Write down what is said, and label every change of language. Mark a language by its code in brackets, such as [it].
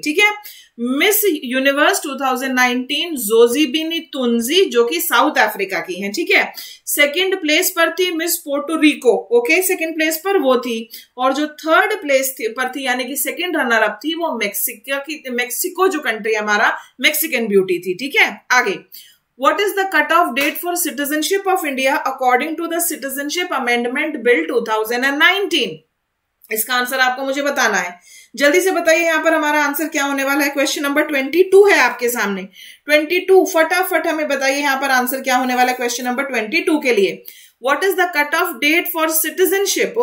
[hi] ठीक है, miss universe 2019 जोजीबीनी तुंजी जो कि साउथ अफ्रीका की है, ठीक है, सेकंड प्लेस पर थी miss Puerto Rico. Okay, second place पर वो थी और जो थर्ड प्लेस पर थी यानी कि सेकंड रनर अप थी वो मेक्सिको की, मेक्सिको जो कंट्री हमारा मेक्सिकन ब्यूटी थी। ठीक है, आगे [en] What is the cut-off date for citizenship of India according to the Citizenship Amendment Bill 2019? [hi] इसका आंसर आपको मुझे बताना है, जल्दी से बताइए यहाँ पर हमारा आंसर क्या होने वाला है। क्वेश्चन नंबर 22 है आपके सामने, 22 फटाफट हमें बताइए यहाँ पर आंसर क्या होने वाला है क्वेश्चन नंबर 22 के लिए। [en] What is the cut-off date for citizenship?